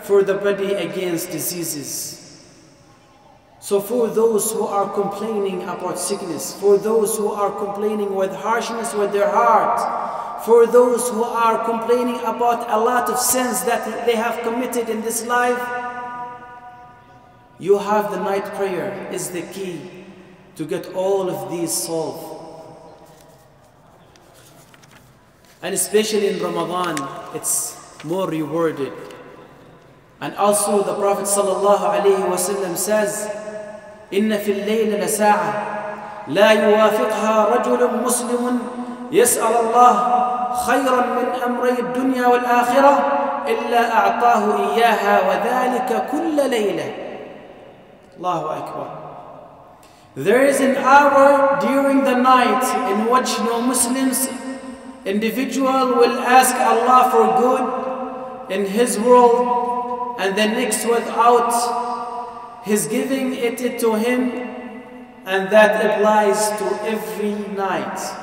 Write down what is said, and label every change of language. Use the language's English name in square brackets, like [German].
[English] for the body against diseases. So for those who are complaining about sickness, for those who are complaining with harshness with their heart, for those who are complaining about a lot of sins that they have committed in this life, you have the night prayer is the key to get all of these solved. And especially in Ramadan, it's more rewarded. And also the Prophet sallallahu alayhi wa sallam says, [Arabic] إِنَّ فِي اللَّيْلِ لَسَاعَةً لَا يُوَافِقْهَا رَجُلٌ مُسْلِمٌ يَسْأَلَ اللَّهُ خَيْرًا مِنْ أَمْرَي الدُّنْيَا وَالْآخِرَةِ إِلَّا أَعْطَاهُ إِيَّاهَا وَذَلِكَ كُلَّ لَيْلَةٍ. Allahu Akbar. [English] There is an hour during the night in which no Muslims individual will ask Allah for good in his world, and the next without his giving it to him, and that applies to every night.